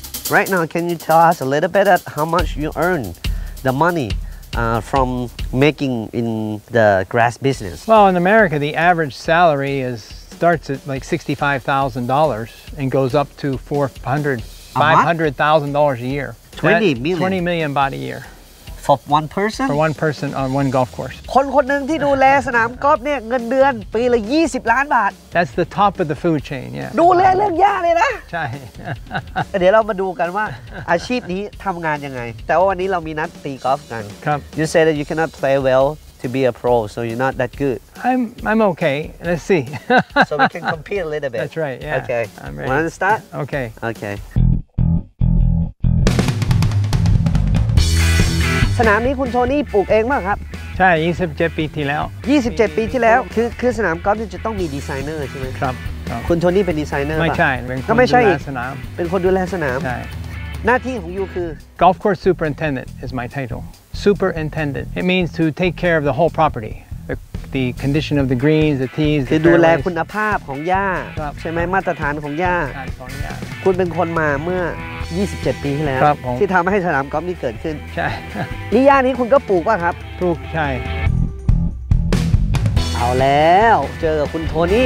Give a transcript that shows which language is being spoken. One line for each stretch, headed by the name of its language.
English: Right now, can you tell us a little bit at how much you earn the money from making in the grass business? Well, in America, the average salary starts at like $65,000 and goes up to $500,000 a year. $20 million baht a year. For one person? For one person on one golf course.
Thai: คนคนหนึ่งที่ดูแลสนามกอล์ฟเนี่ยเงินเดือนปีละ20ล้านบาท
English: That's the top of the food chain, yeah.
Thai: ดูแลเรื่องหญ้าเลยนะ ใช่เดี๋ยวเรามาดูกันว่าอาชีพนี้ทำงานยังไงแต่ว่าวันนี้เรามีนัดตีกอล์ฟกัน ครับ
English: You say that you cannot play well to be a pro, so you're not that good. I'm okay. Let's see. So we can compete a little bit. That's right, yeah. Okay. I'm ready. Want to start? Okay. Okay.
Thai: สนามนี้คุณโทนี่ปลูกเองมั้งครับ ใช่27ปีที่แล้ว 27ปีที่แล้วคือสนามกอล์ฟจะต้องมีดีไซเนอร์ใช่ไหม ครับ คุณโทนี่เป็นดีไซเนอร์ ไม่ใช่ เป็นคนดูแลสนาม ใช่หน้าที่ของยูคือ
English: Golf Course Superintendent is my title Superintendent it means to take care of the whole propertythe condition of the greens the tees
Thai: คือดูแลคุณภาพของหญ้าใช่มั้ยมาตรฐานของหญ้าคุณเป็นคนมาเมื่อ27ปีที่แล้วที่ทําให้สนามกอล์ฟนี้เกิดขึ้น ใช่ นี่หญ้านี้คุณก็ปลูกป่ะครับ ถูกใช่เอาแล้วเจอกับคุณโทนี